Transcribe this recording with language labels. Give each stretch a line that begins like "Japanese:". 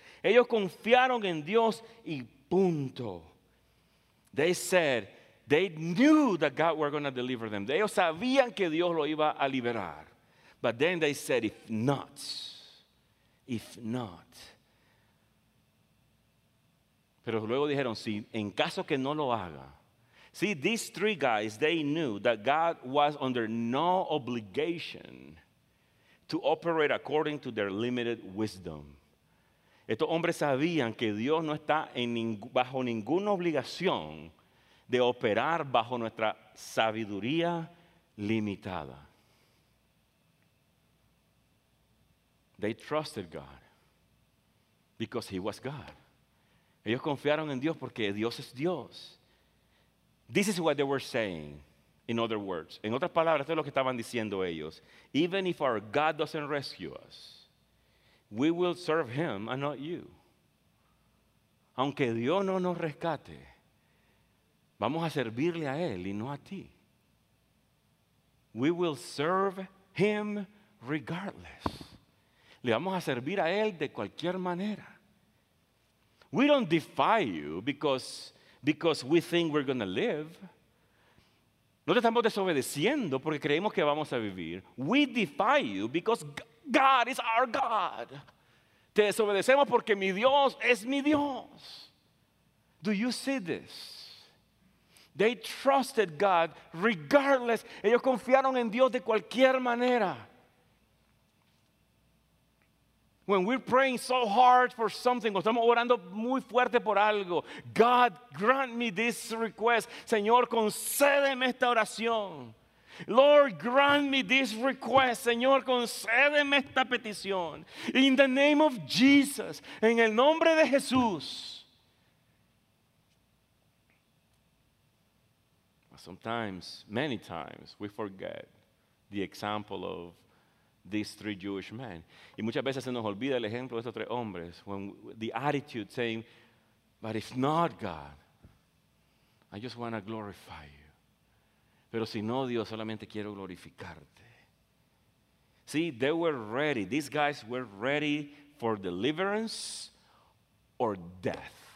Spanish: Ellos confiaron en Dios y punto.
English: They said they knew that God were going to deliver them.
Spanish: Ellos sabían que Dios lo iba a liberar.
English: But then they said, if not.
Spanish: Pero luego dijeron, sí, en caso que no lo haga.
English: See, these three guys, they knew that God was under no obligation to operate according to their limited wisdom.
Spanish: Estos hombres sabían que Dios no está bajo ninguna obligación de operar bajo nuestra sabiduría limitada.
English: They trusted God because he was God.
Spanish: Ellos confiaron en Dios porque Dios es Dios.
English: This is what they were saying, in other words.
Spanish: En otras palabras, esto es lo que estaban diciendo ellos.
English: Even if our God doesn't rescue us, we will serve him and not you.
Spanish: Aunque Dios no nos rescate, vamos a servirle a él y no a ti.
English: We will serve him regardless.
Spanish: Le vamos a servir a él de cualquier manera.
English: We don't defy you because we think we're going to live.
Spanish: No te estamos desobedeciendo porque creemos que vamos a vivir.
English: We defy you because God is our God.
Spanish: Te desobedecemos porque mi Dios es mi Dios.
English: Do you see this? They trusted God regardless.
Spanish: Ellos confiaron en Dios de cualquier manera.
English: When we're praying so hard for something,
Spanish: estamos orando muy fuerte por algo.
English: God, grant me this request.
Spanish: Señor, concédeme esta oración.
English: Lord, grant me this request.
Spanish: Señor, concédeme esta petición.
English: In the name of Jesus,
Spanish: en el nombre de Jesús.
English: Sometimes, many times, we forget the example of these three Jewish men.
Spanish: Y muchas veces se nos olvida el ejemplo de estos tres hombres.
English: When the attitude saying, but if not God, I just want to glorify you.
Spanish: Pero si no Dios, solamente quiero glorificarte.
English: See, they were ready. These guys were ready for deliverance or death.